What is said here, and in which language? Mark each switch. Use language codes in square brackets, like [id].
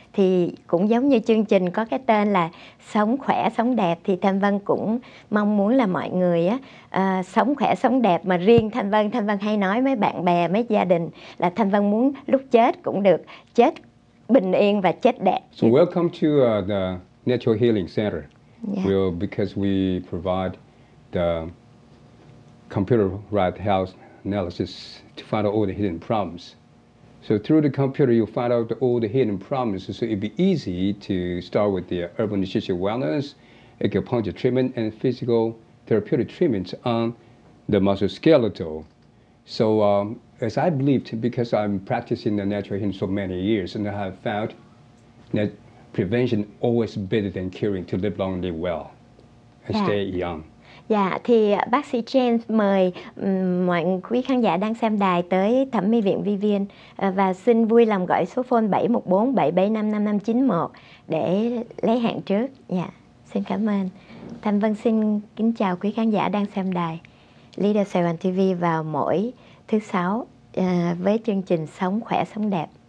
[vi] Thì cũng giống như chương trình có cái tên là Sống Khỏe Sống Đẹp, thì Thanh Vân cũng mong muốn là mọi người á sống khỏe sống đẹp. Mà riêng Thanh Vân hay nói mấy bạn bè, mấy gia đình là Thanh Vân muốn lúc chết cũng được chết bình yên và chết đẹp. [en] So welcome to the Natural Healing Center. Yeah. Well, because we provide the computerized health analysis to find out all the hidden problems. So through the computer, you find out all the hidden problems. So it'd be easy to start with the herbal nutrition wellness, acupuncture treatment, and physical therapeutic treatments on the muscle skeletal. So as I believed, because I'm practicing the natural healing so many years, and I have found that prevention always better than curing, to live long and live well and stay young. [vi] Dạ, thì bác sĩ James mời mọi quý khán giả đang xem đài tới Thẩm mỹ viện Vivian và xin vui lòng gọi số phone 714-775-5591 để lấy hẹn trước. Dạ, xin cảm ơn. Thanh Vân xin kính chào quý khán giả đang xem đài Leader Sài Gòn TV vào mỗi thứ sáu với chương trình Sống Khỏe Sống Đẹp.